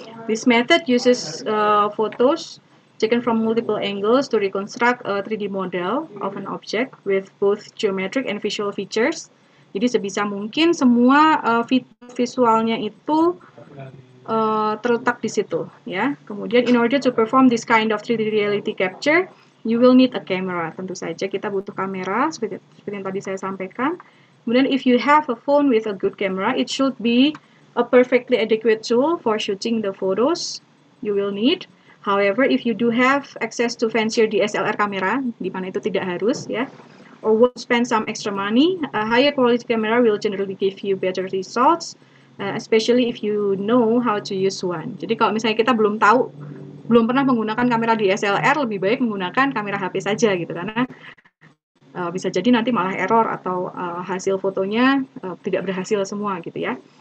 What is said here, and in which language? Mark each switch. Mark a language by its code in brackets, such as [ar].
[en] This method uses photos taken from multiple angles to reconstruct a 3D model of an object with both geometric and visual features. [id] Jadi sebisa mungkin semua visualnya itu terletak di situ, ya. [en] Kemudian, in order to perform this kind of 3D reality capture, you will need a camera. [id] Tentu saja kita butuh kamera, seperti yang tadi saya sampaikan. [en] Kemudian, if you have a phone with a good camera, it should be a perfectly adequate tool for shooting the photos you will need. However, if you do have access to fancier DSLR camera, [id] di mana itu tidak harus, ya, [en] or would spend some extra money, a higher quality camera will generally give you better results, especially if you know how to use one. [id] Jadi kalau misalnya kita belum tahu, belum pernah menggunakan kamera DSLR, lebih baik menggunakan kamera HP saja gitu, karena bisa jadi nanti malah error atau hasil fotonya tidak berhasil semua gitu ya.